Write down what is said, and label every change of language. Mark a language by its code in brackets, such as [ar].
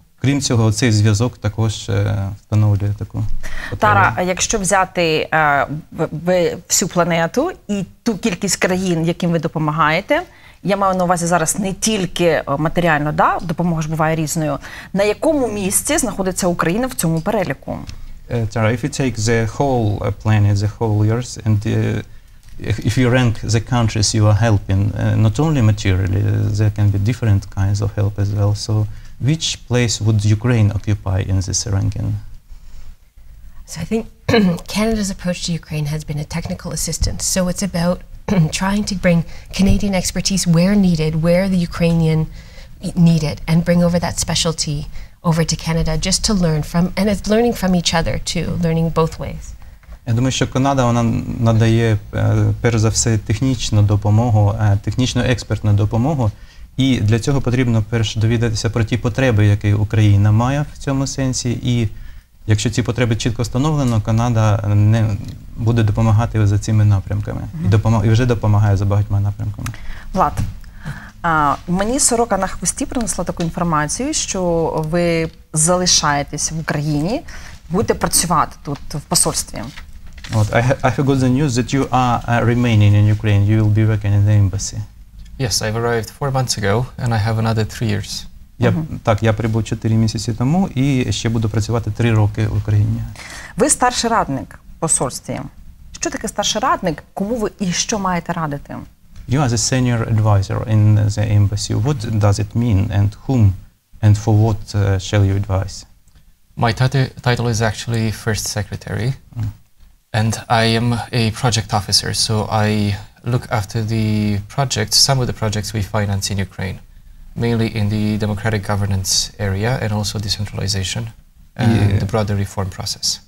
[uk] Крім цього, цей зв'язок також встановлює таку потребу. Тара, якщо взяти всю планету і ту кількість країн, яким ви допомагаєте, я маю на увазі зараз не тільки матеріально, да, допомога ж буває різною, на якому місці знаходиться Україна в цьому переліку? [en] Тара, if you take the whole planet, the whole years, and if you rank the countries you are helping, not only materially, there can be different kinds of help as well, so... Which place would Ukraine occupy in this ranking? So I think Canada's approach to Ukraine has been a technical assistance. So it's about trying to bring Canadian expertise where needed, where the Ukrainian need it, and bring over that specialty over to Canada just to learn from, and it's learning from each other too, learning both ways. [uk] Я думаю, що Канада, вона надає, перш за все, технічну допомогу, технічно-експертну допомогу. І для цього потрібно перш довідатися про ті потреби, які Україна має в цьому сенсі. І якщо ці потреби чітко встановлено, Канада не буде допомагати за цими напрямками. Mm-hmm. І вже допомагає за багатьма напрямками. Влад, мені сорока на хвості принесла таку інформацію, що ви залишаєтесь в Україні, будете працювати тут в посольстві. [en] От, I have got the news that you are remaining in Ukraine. You will be working in the embassy. Yes, I've arrived 4 months ago, and I have another 3 years. [uk] Я, так, я прибув 4 місяці тому, і ще буду працювати 3 роки в Україні. Ви старший радник посольстві. Що таке старший радник? Кому ви і що маєте радити? [en] You are the senior advisor in the embassy. What does it mean, and whom, and for what shall you advise? My title is actually first secretary, and I am a project officer, so I... look after the projects, some of the projects we finance in Ukraine, mainly in the democratic governance area and also decentralization and the broader reform process.